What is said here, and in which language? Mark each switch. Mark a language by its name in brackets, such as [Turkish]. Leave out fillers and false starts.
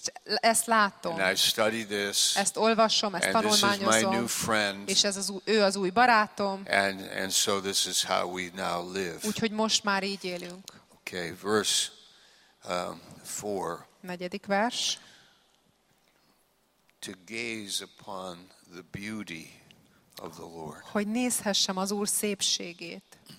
[Hungarian] Ezt látom. [English] And I study this. [Hungarian] Ezt olvasom, ezt tanulmányozom. [English] And this is my new friend. [Hungarian] És ez az ő az új barátom. [English] And so this is how we now live. [Hungarian] Úgyhogy most már így élünk. [English] Okay, verse 4. [Hungarian] Negyedik vers. [English] To gaze upon the beauty of the Lord. [Hungarian] Hogy nézhessem az Úr szépségét.